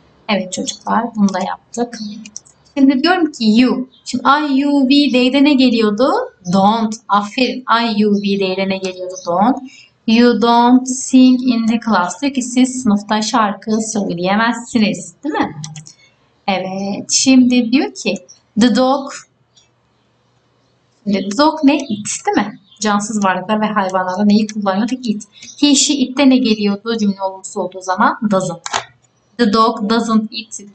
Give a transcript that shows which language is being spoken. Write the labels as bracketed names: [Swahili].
[Turkish] Evet çocuklar, bunu da yaptık. Şimdi diyorum ki you. Şimdi I, you, we, they'de ne geliyordu? Don't. Aferin. I, you, we, they'de ne geliyordu? [English] Don't. You don't sing in the class. [Turkish] Diyor ki siz sınıfta şarkı söyleyemezsiniz. Değil mi? Evet. Şimdi diyor ki the dog. Şimdi the dog ne? It. Değil mi? Cansız varlıklar ve hayvanlarda neyi kullanıyorduk? It. He, she, it'te ne geliyordu? Cümle olumsuz olduğu zaman [English] doesn't. The dog doesn't eat.